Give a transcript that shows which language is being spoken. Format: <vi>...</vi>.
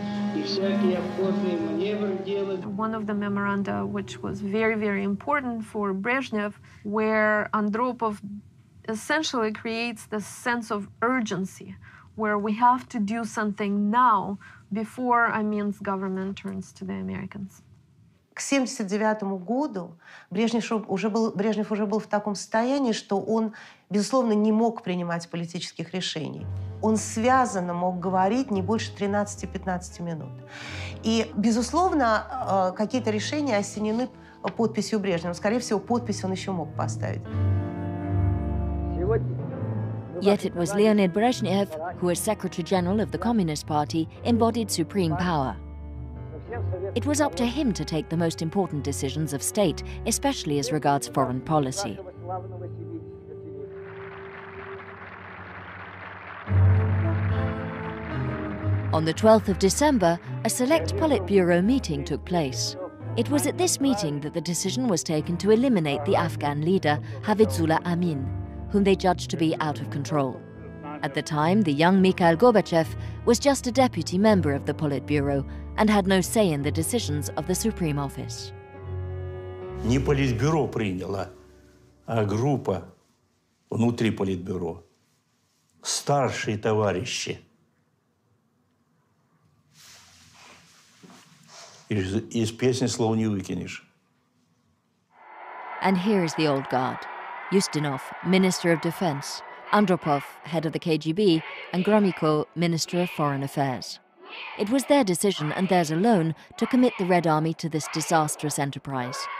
<en>One of the memoranda, which was very, very important for Brezhnev, where Andropov essentially creates the sense of urgency, where we have to do something now before Amin's government turns to the Americans.</en> <ru>К 79-му году Брежнев уже был в таком состоянии, что он, безусловно, не мог принимать политических решений. Он связанно мог говорить не больше 13-15 минут. И, безусловно, какие-то решения осенены подписью Брежнева. Скорее всего, подпись он еще мог поставить.</ru> <en>Yet it was Леонид Брежнев, who as Secretary-General of the Communist Party, embodied supreme power. It was up to him to take the most important decisions of state, especially as regards foreign policy. On the 12th of December, a select Politburo meeting took place. It was at this meeting that the decision was taken to eliminate the Afghan leader, Hafizullah Amin, whom they judged to be out of control. At the time, the young Mikhail Gorbachev was just a deputy member of the Politburo and had no say in the decisions of the Supreme Office.</en> <ru>Не Политбюро приняло, а группа внутри Политбюро. Старшие товарищи из песни слов не выкинешь.</ru> <en>And here is the old guard: Ustinov, Minister of Defense, Andropov, head of the KGB, and Gromyko, Minister of Foreign Affairs. It was their decision, and theirs alone, to commit the Red Army to this disastrous enterprise.</en>